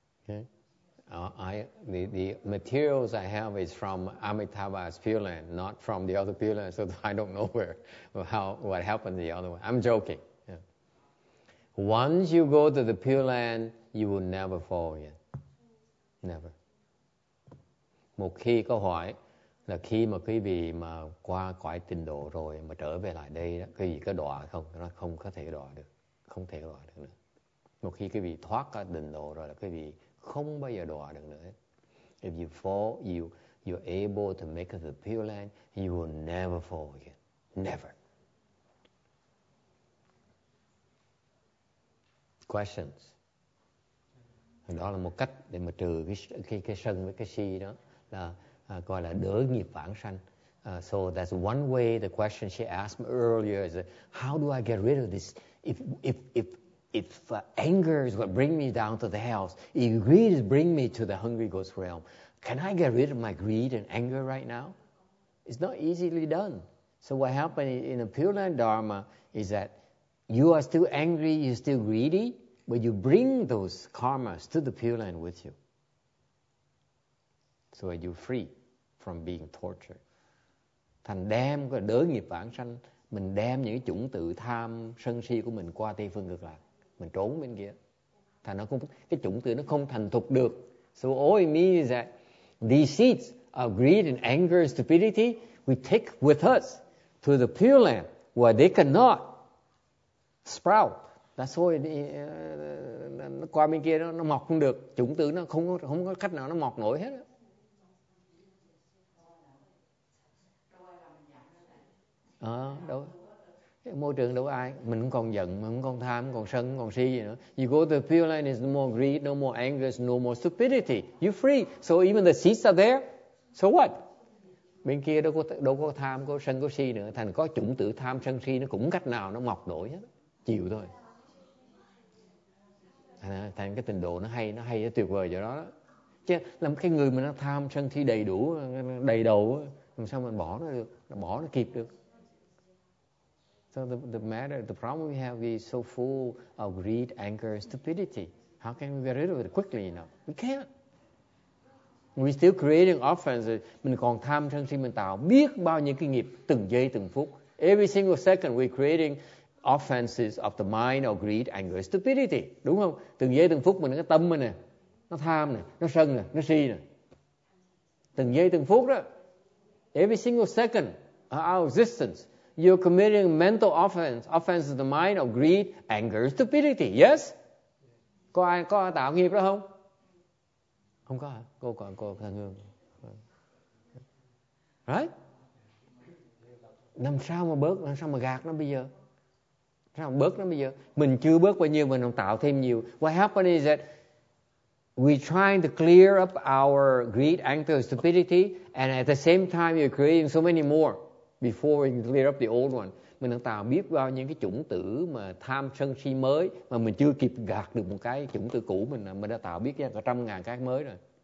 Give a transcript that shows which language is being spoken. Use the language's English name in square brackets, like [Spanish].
[English] Okay. The materials I have is from Amitabha's Pure Land, not from the other Pure Land, so I don't know where what happened to the other one. I'm joking. Yeah. Once you go to the Pure Land, you will never fall again. Never. [Vietnamese] Một khi có hỏi là khi mà quý vị mà qua cõi tịnh độ rồi mà trở về lại đây đó, quý vị có đọa không? Nó không có thể đọa được. Không thể đọa được nữa. Một khi quý vị thoát ra tịnh độ rồi là quý vị không bao giờ đọa được nữa. [English] If you fall, you're able to make it to the Pure Land, you will never fall again. Never. Questions? [Vietnamese] Đó là một cách để mà trừ cái sân với cái si đó, là gọi là đỡ nghiệp vãng sanh. [English] So that's one way. The question she asked me earlier is, how do I get rid of this? If anger is what bring me down to the hells, if greed is bring me to the hungry ghost realm, can I get rid of my greed and anger right now? It's not easily done. So what happened in the Pure Land Dharma is that you are still angry, you're still greedy, but you bring those karmas to the Pure Land with you. So you're free from being tortured. [Vietnamese] Thành đem cái đới nghiệp vãng sanh, mình đem những chủng tự tham sân si của mình qua Tây Phương Cực Lạc. Mình trốn bên kia. Thành nó không, cái chủng tử nó không thành thục được. [English] So all it means is that the seeds of greed and anger and stupidity we take with us to the Pure Land where they cannot sprout. That's why [Vietnamese] nó qua bên kia nó mọc không được. Chủng tử nó không có cách nào nó mọc nổi hết. Đâu. Môi trường đâu có ai, mình không còn giận, mình không còn tham, không còn sân, không còn si gì nữa. [English] You go to the Pure Land, there's no more greed, no more anger, no more stupidity. You're free. So even the seeds are there. So what? [Vietnamese] Bên kia đâu có tham, có sân, có si nữa. Thành có chủng tử tham, sân, si nó cũng cách nào nó mọc nổi hết. Chịu thôi. Thành cái tình độ nó hay, nó tuyệt vời cho đó. Chứ làm cái người mà nó tham, sân, si đầy đủ, đầy đầu, làm sao mình bỏ nó được, bỏ nó kịp được. [English] So the problem we have is so full of greed, anger, stupidity. How can we get rid of it quickly, you know? We can't. We're still creating offenses. [Vietnamese] Mình còn tham sân si mình tạo biết bao nhiêu cái nghiệp từng giây từng phút. [English] Every single second we're creating offenses of the mind or greed, anger, stupidity. [Vietnamese] Đúng không? Từng giây từng phút mình cái tâm mình nè. Nó tham nè, nó sân nè, nó si nè. Từng giây từng phút đó. [English] Every single second of our existence, you're committing mental offense, offense of the mind of greed, anger, stupidity. Yes? [Vietnamese] Có ai tạo nghiệp đó không? Không có hả? Cô Thanh Hương. [English] Right? [Vietnamese] Làm sao mà bớt, làm sao mà gạt nó bây giờ? Sao mà bớt nó bây giờ? Mình chưa bớt bao nhiêu, mình còn tạo thêm nhiều. [English] What happened is that we're trying to clear up our greed, anger, stupidity, and at the same time you're creating so many more. Before we clear up the old one, [Vietnamese] mình đang tạo biết bao nhiêu cái chủng tử mà tham sân si mới mà mình chưa kịp gạt được một cái chủng tử cũ mình đã tạo biết ra cả trăm ngàn cái mới rồi.